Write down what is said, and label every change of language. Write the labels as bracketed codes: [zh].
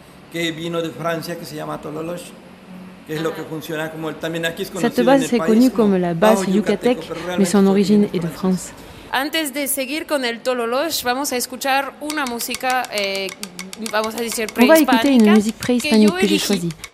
[es] que vino de Francia, que se llama Tololoch, que es lo que funciona como el también aquí es conocido. [fr] Cette base est connue comme la base yucatèque, mais son origine est de France. [es] Antes de seguir con el Tololoch, vamos a escuchar una música, vamos a decir préhispánica. [fr] On va écouter une musique préhispanique que j'ai choisie.